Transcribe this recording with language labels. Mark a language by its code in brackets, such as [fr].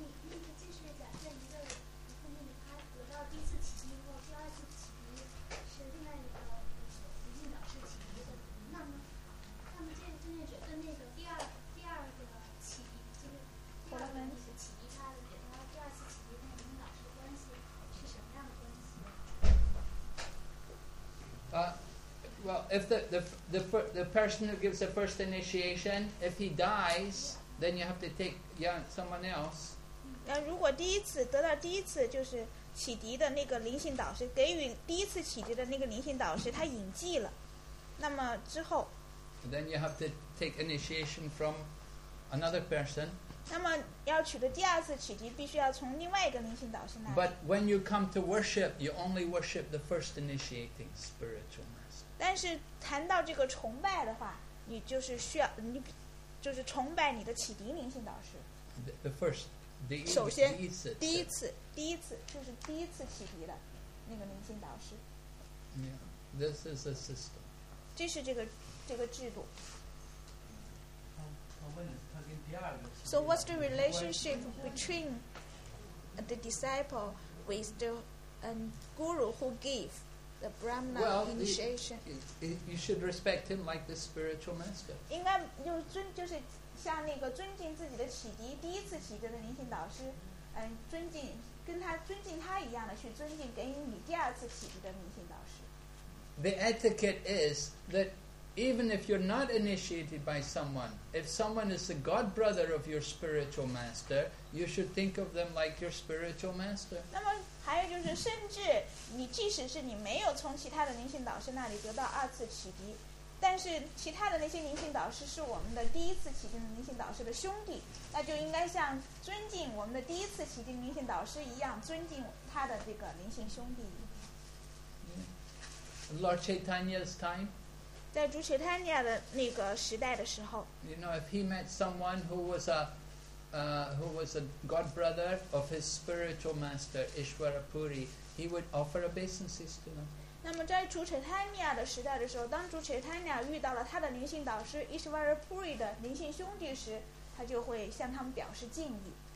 [zh] 你继续讲，在一个后面，他得到第一次启迪后，第二次启迪是另外一个灵性导师启迪的。那么这个训练者跟那个第二个启迪，就是第二个启迪，他给他第二次启迪那个灵性导师的关系是什么样的关系？ [en] Well, if the person who gives the first initiation, if he dies. Then you have to take someone else. [zh] 那如果第一次得到第一次就是启迪的那个灵性导师给予第一次启迪的那个灵性导师他引迹了，那么之后。 [en] Then you have to take initiation from another person. [zh] 那么要取得第二次启迪，必须要从另外一个灵性导师那里。 [en] But when you come to worship, you only worship the first initiating spiritual master. [zh] 但是谈到这个崇拜的话，你就是需要你。就是崇拜你的启迪灵性导师。 [en] The first, [zh] 首先，第一次，第一次，就是第一次启迪的那个灵性导师。 [en] Yeah, this is a system. [zh] 这是这个制度。 [en] So what's the relationship between the disciple with the guru who gave the Brahmana initiation? You should respect him like the spiritual master. [zh] 应该就是像那个尊敬自己的启迪，第一次启迪的灵性导师，尊敬跟他尊敬他一样的去尊敬给你第二次启迪的灵性导师。 [en] The etiquette is that even if you're not initiated by someone, if someone is the god brother of your spiritual master, you should think of them like your spiritual master. [zh] 那么还有就是，甚至你即使是你没有从其他的灵性导师那里得到二次启迪。但是其他的那些灵性导师是我们的第一次启迪的灵性导师的兄弟，那就应该像尊敬我们的第一次启迪灵性导师一样尊敬他的这个灵性兄弟。 [en] Lord Chaitanya's time, [zh] 在主切坦尼亚的那个时代的时候 [en] you know, if he met someone who was a god brother of his spiritual master Ishwara Puri, he would offer obeisances to him. [zh] 那么在主切坦尼亚的时代的时候，当主切坦尼亚遇到了他的灵性导师 Ishwara Puri 的灵性兄弟时，他就会向他们表示敬意。